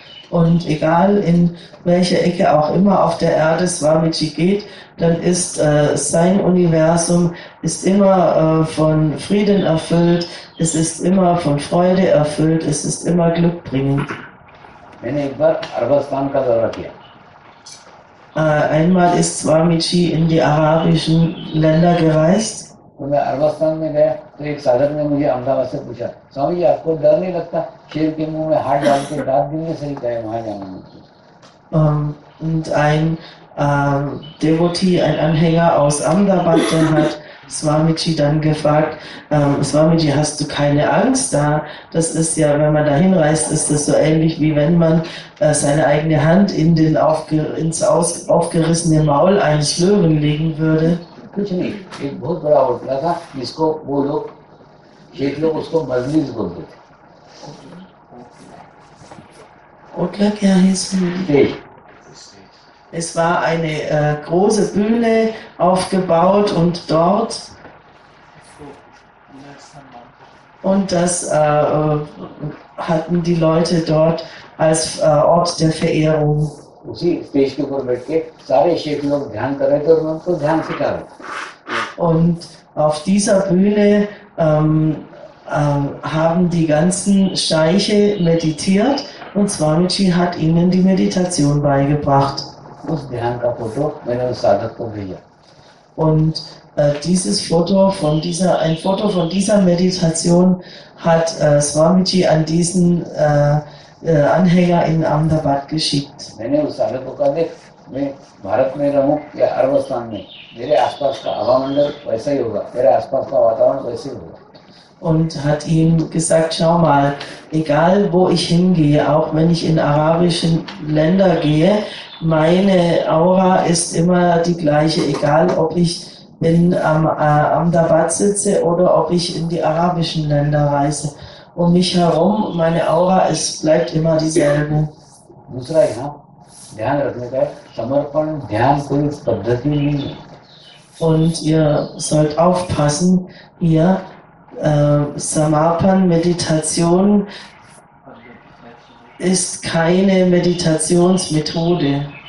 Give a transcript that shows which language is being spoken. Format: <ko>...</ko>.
<de>Und egal in welche Ecke auch immer auf der Erde Swamiji geht, dann ist sein Universum ist immer von Frieden erfüllt, es ist immer von Freude erfüllt, es ist immer glückbringend.</de> <hi>मैंने एक बार अरबस्तान का दौरा किया।</hi> <de>Einmal ist Swamiji in die arabischen Länder gereist.</de> <hi>तो मैं अरबस्तान में गया तो एक साधक ने मुझे अहमदाबाद से पूछा, स्वामी जी आपको डर नहीं लगता शेर के मुंह में हाथ डाल के दांत गिनने से? ही कहे वहां जाऊंगा मुझे।</hi> <de>Und ein Devotee, ein Anhänger aus Ahmedabad, der hat Swamiji dann gefragt, Swamiji, hast du keine Angst da? Das ist ja, wenn man da hinreist, ist das so ähnlich, wie wenn man seine eigene Hand in den ins aus aufgerissene Maul eines Löwen legen würde.</de> <hi>कुछ नहीं, एक बहुत बड़ा hotel था जिसको वो लोग शेख लोग उसको मजलिस बोलते Okay, क्या है इसमें? थे।</hi> <de>Es war eine große Bühne aufgebaut und dort und das hatten die Leute dort als Ort der Verehrung.</de> <hi>उसी स्टेज के ऊपर बैठ के सारे शेख लोग ध्यान कर रहे थे और मैं उनको ध्यान सिखा रहा था।</hi> <de>Und auf dieser Bühne haben die ganzen Scheiche meditiert und Swamiji hat ihnen die Meditation beigebracht.</de> <hi>उस ध्यान का फोटो मैंने उस साधक को भेजा।</hi> <de>Und dieses Foto von dieser, ein Foto von dieser Meditation hat Swamiji an diesen Anhänger in Ahmedabad geschickt.</de> <hi>मैंने उस साधक को कहा, देख मैं भारत में रहूं या अरबस्तान में, मेरे आसपास का हवामंडल वैसा ही होगा, मेरे आसपास का वातावरण वैसे ही होगा।</hi> <de>Und hat ihm gesagt, schau mal, egal wo ich hingehe, auch wenn ich in arabischen Länder gehe, meine Aura ist immer die gleiche, egal ob ich in Ahmedabad sitze oder ob ich in die arabischen Länder reise. Um mich herum, meine Aura, es bleibt immer dieselbe.</de> <hi>दूसरा यहाँ ध्यान रखने का है, समर्पण ध्यान कोई पद्धति नहीं है।</hi> <de>Und ihr sollt aufpassen, ihr Samarpan Meditation ist keine Meditationsmethode.</de>